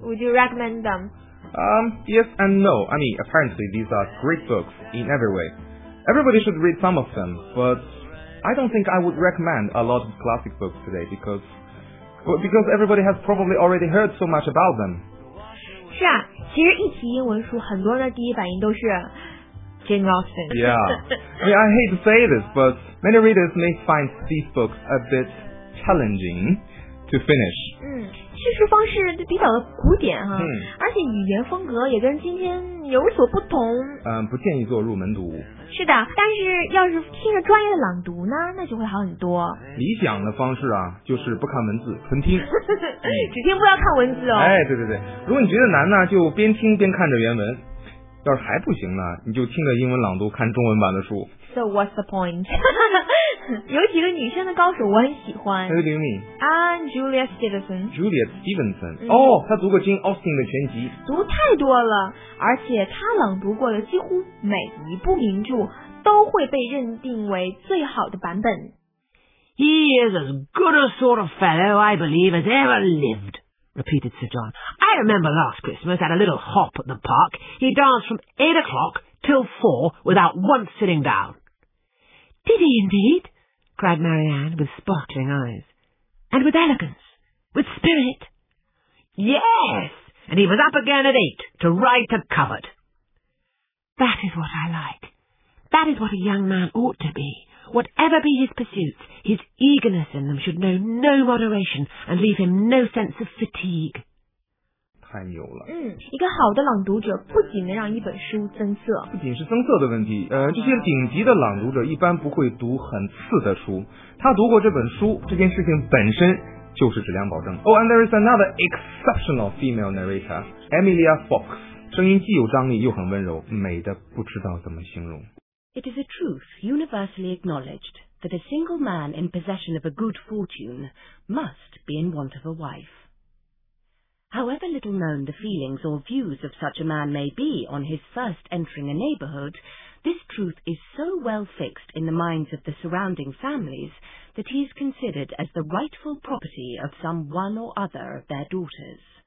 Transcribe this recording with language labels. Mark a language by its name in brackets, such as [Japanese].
[English] Would you recommend them? Yes and no. I mean, apparently these are great books in every way. Everybody should read some of them, but I don't think I would recommend a lot of classic books today because everybody has probably already heard so much about them. [Chinese] 是啊，其实一提英文书，很多人的第一反应都是 Jane Austen. [English] Yeah. I mean, I hate to say this, but many readers may find these books a bit challenging to finish. [Chinese] 嗯，叙述方式就比较的古典哈，而且语言风格也跟今天有所不同。不建议做入门读。是的，但是要是听着专业的朗读呢，那就会好很多。理想的方式啊，就是不看文字，纯听。只听不要看文字哦。哎，对对对，如果你觉得难呢，就边听边看着原文。要是还不行呢，你就听着英文朗读看中文版的书。 [English] So what's the point? [Chinese] 有几个女生的高手我很喜欢。 [English] Who do you mean? Julia Stevenson. Julia Stevenson. [Chinese] 哦、嗯，她读过 Jane Austen 的全集。读太多了，而且她朗读过的几乎每一部名著都会被认定为最好的版本。 [English] He is as good a sort of fellow, I believe, as ever lived. Repeated Sir John. I remember last Christmas at a little hop at the park. He danced from 8 o'clock till 4 without once sitting down. Did he indeed? Cried Marianne with sparkling eyes. And with elegance, with spirit. Yes, and he was up again at 8 to write a covert. That is what I like. That is what a young man ought to be. Whatever be his pursuits, his eagerness in them should know no moderation and leave him no sense of fatigue. [Chinese] 太牛了。嗯，一个好的朗读者不仅能让一本书增色。不仅是增色的问题，这些顶级的朗读者一般不会读很次的书。他读过这本书，这件事情本身就是质量保证。 [English] Oh, and there is another exceptional female narrator, Emilia Fox. [Chinese] 声音既有张力又很温柔，美得不知道怎么形容。 [English] It is a truth universally acknowledged that a single man in possession of a good fortune must be in want of a wife. However little known the feelings or views of such a man may be on his first entering a neighbourhood, this truth is so well fixed in the minds of the surrounding families that he is considered as the rightful property of some one or other of their daughters.